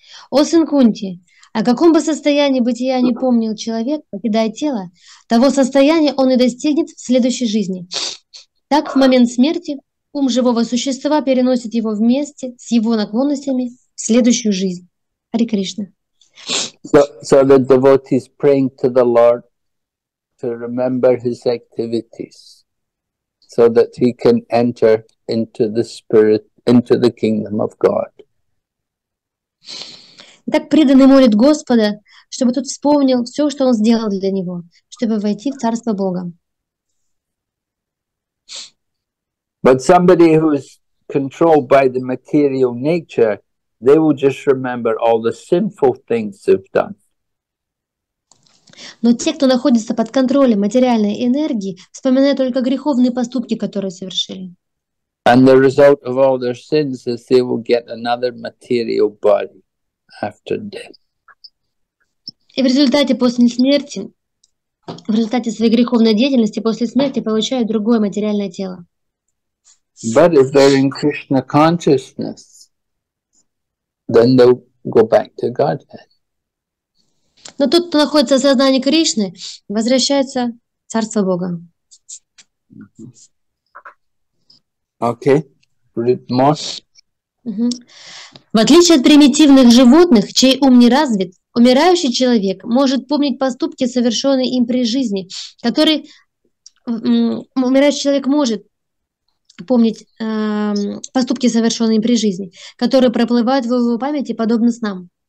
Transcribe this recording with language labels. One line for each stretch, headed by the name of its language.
Russian: О сын Кунти, о каком бы состоянии бытия не помнил человек, покидая тело, того состояния он и достигнет в следующей жизни. Так в момент смерти ум живого существа переносит его вместе с его наклонностями в следующую жизнь.
Sanskrit: Хари Кришна.
English: So the devotee is praying to the Lord to remember his activities so that he can enter into the spirit, into the kingdom of God.
Russian: Так преданный молит Господа, чтобы тот вспомнил все, что он сделал для него, чтобы войти в царство Бога.
English: But somebody who is controlled by the material nature, they will just remember all the sinful things they've done.
Russian: Но те, кто находится под контролем материальной энергии, вспоминают только греховные поступки, которые совершили.
English: And the result of all their sins is they will get another material body after death.
Russian: И в результате после смерти, в результате своей греховной деятельности после смерти получают другое материальное тело.
English: But if they're in Krishna consciousness, then they'll go back to Godhead.
Russian: Но тот, кто находится в сознании Кришны, возвращается в царство Бога.
English: Okay. Read more.
Russian: В отличие от примитивных животных, чей ум не развит, умирающий человек может помнить поступки, совершенные им при жизни, которые умирающий человек может помнить поступки, совершенные им при жизни, которые проплывают в его памяти, подобно снам.